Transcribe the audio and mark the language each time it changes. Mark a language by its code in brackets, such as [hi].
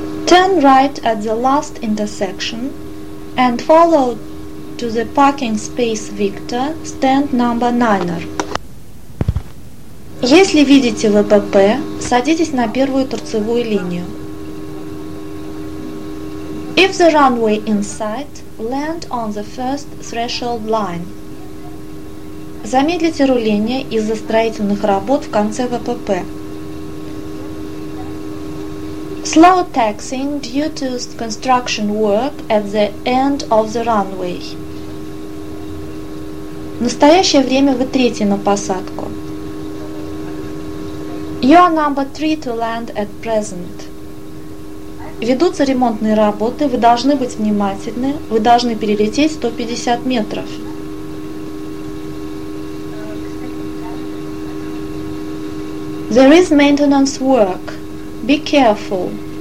[en] Turn right at the last intersection and follow to the parking space Victor, stand number 9. [ru] Если видите ВПП, садитесь на первую торцевую линию. [en] If the runway in sight, land on the first threshold line. [ru] Замедлите руление из-за строительных работ в конце ВПП. [en] Slow taxiing due to construction work at the end of the runway. [ru] В настоящее время вы третий на посадку. [en] You are number three to land at present. [ru] Ведутся ремонтные работы, вы должны быть внимательны, вы должны перелететь 150 метров. [en] There is maintenance work. Be careful.